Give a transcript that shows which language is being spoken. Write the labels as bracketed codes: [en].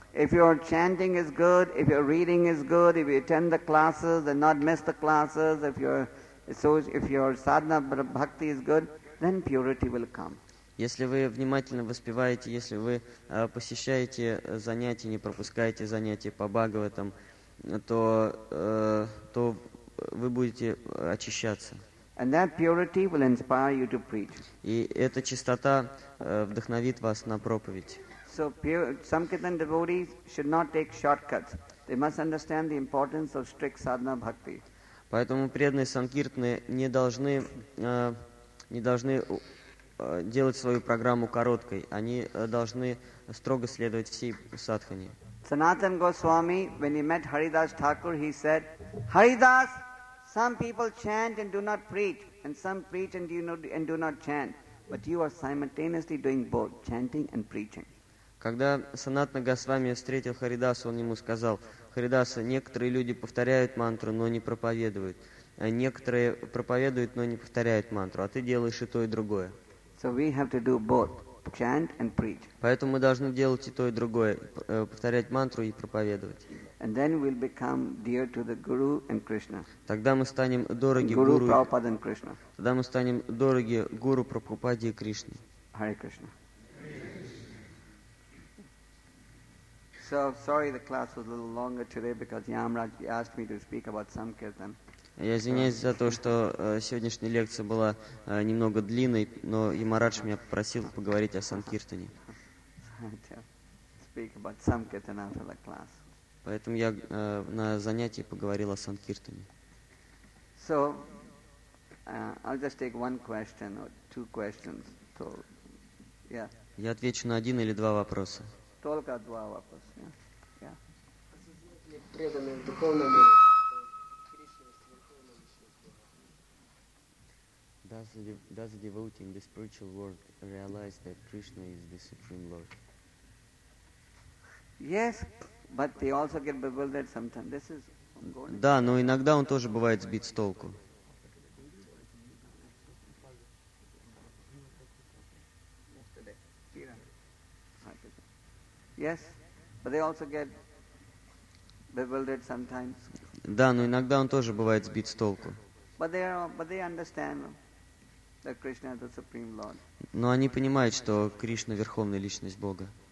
[en] If your chanting is good, if your reading is good, if you attend the classes and not miss the classes, if your sadhana bhakti is good, then purity will come. [ru] Если вы внимательно воспеваете, если вы посещаете занятия, не пропускаете занятия по Бхагаватам, то вы будете очищаться. [en] And that purity will inspire you to preach. [ru] И эта чистота вдохновит вас на проповедь. [en] So Sankirtan devotees should not take shortcuts. They must understand the importance of strict sadhana bhakti. [ru] Поэтому преданные санкиртаны не должны делать свою программу короткой. Они должны строго следовать всей садхане. [en] Sanatan Goswami, when he met Haridas Thakur, he said, Haridas, some people chant and do not preach, and some preach and do not chant. But you are simultaneously doing both, chanting and preaching. [ru] Когда Санатана Госвами встретил Харидаса, он ему сказал, Харидаса, некоторые люди повторяют мантру, но не проповедуют. Некоторые проповедуют, но не повторяют мантру, а ты делаешь и то, и другое. [en] So we have to do both, chant and preach. [ru] Поэтому мы должны делать и то, и другое, повторять мантру и проповедовать. [en] And then we'll become dear to the Guru and Krishna. [ru] Тогда мы станем дороги [en] Guru, Prabhupada and Krishna. [ru] Тогда мы станем дороги Гуру, Прабхупаде и Кришне. [en] Hare Krishna. So sorry, the class was a little longer today because Yamraj asked me to speak about Sankirtan. Я извиняюсь за то, что сегодняшняя лекция была немного длинной, но Ямарадж меня попросил поговорить о Санкиртане. Speak about Sankirtan after the class. [ru] Поэтому я на занятии поговорил о Санкиртане. [en] So I'll just take one question or two questions. So, yeah. [ru] Я отвечу на один или два вопроса. Только два вопроса. [en] Does the devotee in the spiritual world realize that Krishna is the Supreme Lord? Yes, but they also get bewildered sometimes. This is. [ru] Да, но иногда он тоже бывает сбит с толку. [en] Yes, but they also get bewildered sometimes. [ru] Да, но иногда он тоже бывает сбит с толку. [en] But they understand that Krishna is the Supreme Lord. [ru] Но они понимают, что Кришна — верховная личность Бога.